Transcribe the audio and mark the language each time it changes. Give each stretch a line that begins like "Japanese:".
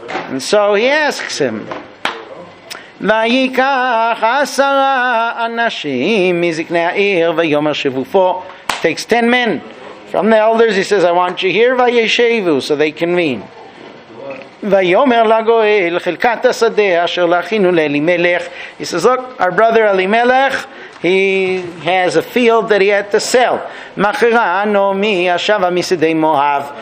English: And so he asks him,
Hebrew: Vayikach asara anashim mizikne ha'ir vayomer shivufo.
English: Takes 10 men from the elders. He says, I want you here, vayeshevu, so they convene.
Hebrew: ויאמר לגואל חלקת השדה אשר להכינו לאלימלך.
English: He says, look, our brother Elimelech, he has a field that he had to sell.
Hebrew: מחרה נעמי השבה משדה מואב.